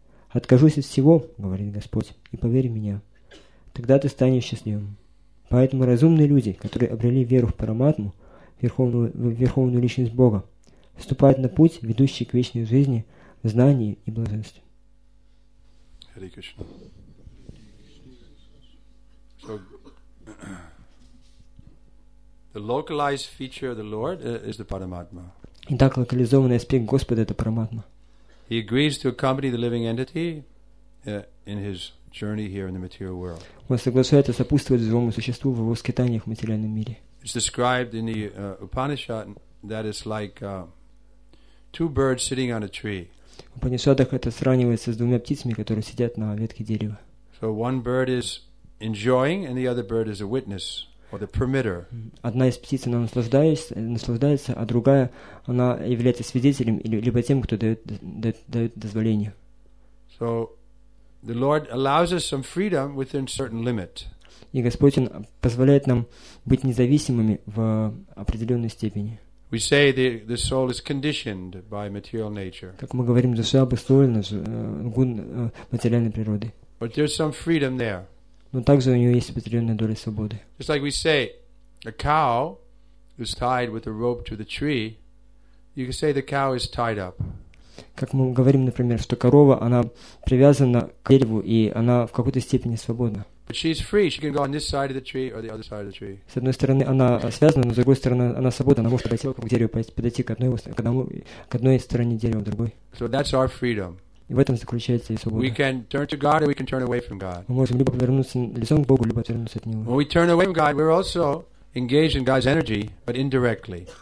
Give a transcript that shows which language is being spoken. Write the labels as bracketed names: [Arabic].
[Russian] «Откажусь от всего, — говорит Господь, — и поверь в меня, тогда ты станешь счастливым». Поэтому разумные люди, которые обрели веру в Параматму, в верховную личность Бога, вступают на путь, ведущий к вечной жизни, в знании и блаженстве. [English] Hare Krishna. So, the localized feature of the Lord is the Paramatma. [Russian] Итак, локализованный аспект Господа – это Параматма. [English] He agrees to accompany the living entity in his journey here in the material world. [Russian] Он соглашается сопутствовать живому существу в его скитаниях в материальном мире. [English] It's described in the Upanishad that it's like two birds sitting on a tree. [Russian] В Упанишадах это сравнивается с двумя птицами, которые сидят на ветке дерева. [English] So one bird is enjoying, and the other bird is a witness or the permitter. [Russian] Одна из птиц она наслаждается, а другая она является свидетелем либо тем, кто дает дозволение. [English] So the Lord allows us some freedom within certain limit. [Russian] И Господь позволяет нам быть независимыми в определенной степени. [English] We say the soul is conditioned by material nature. [Russian] Как мы говорим, душа обусловлена материальной природой. [English] But there's some freedom there. [Russian] Но также у нее есть определенная доля свободы. [English] Just like we say, a cow is tied with a rope to the tree. You can say the cow is tied up. [Russian] Как мы говорим, например, что корова она привязана к дереву и она в какой-то степени свободна. [English] But she's free. She can go on this side of the tree or the other side of the tree. [Russian] С одной стороны она связана, но с другой стороны она свободна. Она может пойти к дереву, подойти к одной стороне дерева, к другой. [English] So that's our freedom. [Russian] И в этом заключается и свобода. [English] We can turn to God or we can turn away from God. [Russian] Мы можем либо повернуться лицом к Богу, либо отвернуться от Него. [English] When we turn away from God, we're also engaged in God's energy, but indirectly.